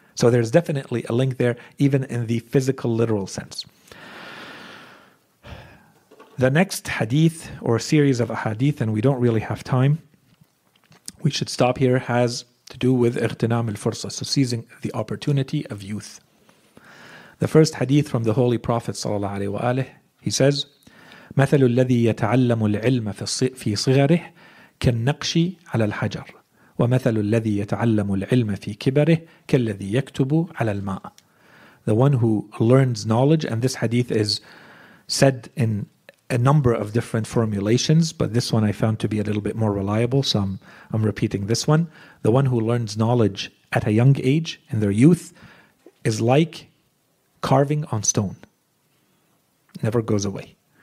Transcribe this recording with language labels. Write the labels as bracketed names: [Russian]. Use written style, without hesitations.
[English] So there's definitely a link there, even in the physical, literal sense. The next hadith or series of hadith, and we don't really have time, we should stop here, has to do with [Arabic] اغتنام الفرصة, [English] so seizing the opportunity of youth. The first hadith from the Holy Prophet صلى الله عليه وآله, he says, [Arabic] مثل الذي يتعلم العلم في صغره كالنقش على الحجر ومثل الذي يتعلم العلم في كبره كالذي يكتب على الماء. [English] The one who learns knowledge, and this hadith is said in a number of different formulations, but this one I found to be a little bit more reliable, so I'm repeating this one. The one who learns knowledge at a young age, in their youth, is like carving on stone. Never goes away.